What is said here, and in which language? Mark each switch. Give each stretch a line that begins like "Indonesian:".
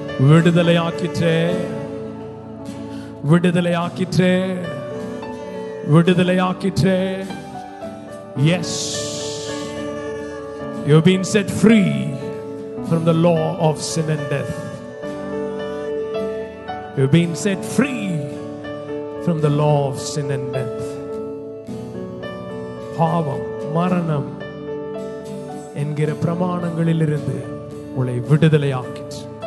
English: விடுதலையாக்கிற்றே விடுதலையாக்கிற்றே விடுதலையாக்கிற்றே yes you been set free from the law of sin and death. You've been set free from the law of sin and death.
Tamil: பாவம் மரணம் என்கிற பிரமாணங்களிலிருந்து உங்களை விடுதலை ஆக்கிற்று.